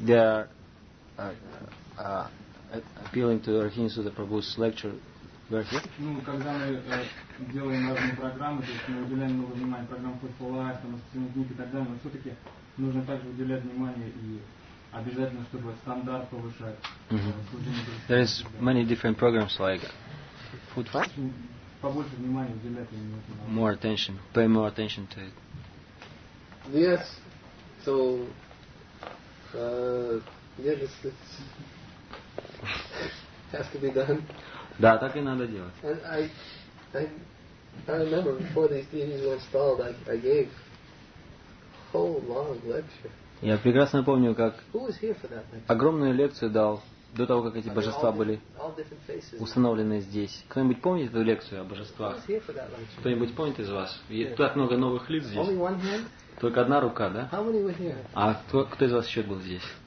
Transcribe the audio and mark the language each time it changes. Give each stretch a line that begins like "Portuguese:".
English: They are appealing to Рахини Судапрабху's lecture.
Russian: Ну, когда мы делаем разные программы, то есть мы уделяем много внимания программам Фуфулайф, там, Ассоциативных книг и так далее, но все-таки нужно также уделять внимание и обязательно, чтобы стандарт повышать.
English: There is many different programs like food fight.
Russian: Побольше внимания уделять именно этому.
English: More attention. Pay more attention to it. Yes. So, yes, it has to be done.
Russian: Да, так и надо делать.
English: And I remember before these deities were installed, I gave whole long lecture.
Russian: Я прекрасно помню, как
English: Who was here for that lecture?
Russian: Огромную лекцию дал до того, как эти божества были установлены здесь. Кто-нибудь помнит эту лекцию о божествах?
English: Who was here for that lecture?
Russian: Кто-нибудь помнит из вас?
English: Yeah.
Russian: Тут так много новых лиц здесь.
English: Only one hand?
Russian: Только одна рука, да?
English: How many were here?
Russian: А кто из вас еще был здесь?